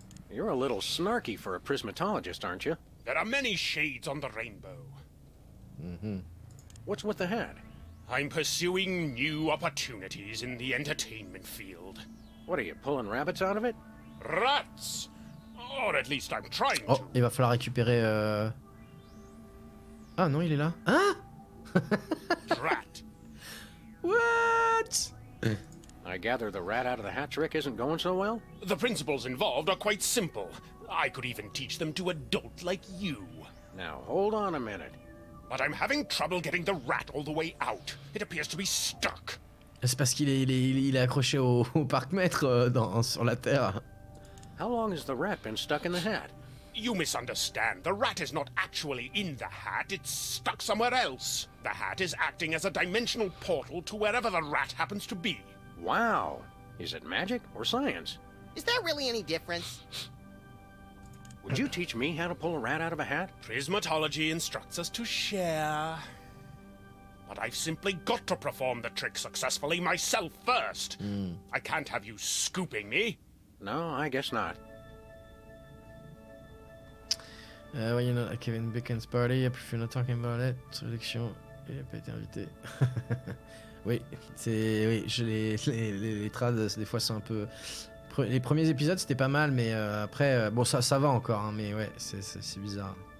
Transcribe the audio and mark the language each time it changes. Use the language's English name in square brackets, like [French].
[English] You're a little snarky for a prismatologist, aren't you? There are many shades on the rainbow. Mm-hmm. What's with the hat? I'm pursuing new opportunities in the entertainment field. What are you, pulling rabbits out of it? Rats! Or at least I'm trying to. [French] Oh, il va falloir récupérer, Ah non, il est là. Hein? [English] Rat. What? I gather the rat out of the hat trick isn't going so well? The principles involved are quite simple. I could even teach them to adult like you. Now, hold on a minute. But I'm having trouble getting the rat all the way out. It appears to be stuck. [French] C'est parce qu'il est, il est accroché au parcmètre sur la terre. [English] How long has the rat been stuck in the hat? You misunderstand. The rat is not actually in the hat. It's stuck somewhere else. The hat is acting as a dimensional portal to wherever the rat happens to be. Wow. Is it magic or science? Is there really any difference? Would you teach me how to pull a rat out of a hat? Prismatology instructs us to share. But I've simply got to perform the trick successfully myself first. Mm. I can't have you scooping me. No, I guess not. Well, you know, Kevin Bacon's party, I prefer not talking about it. [French] Introduction, il n'a pas été invité. Oui, c'est. Oui, les trades, des fois, c'est un peu. Les premiers épisodes, c'était pas mal, mais après. Bon, ça va encore, hein, mais ouais, c'est bizarre.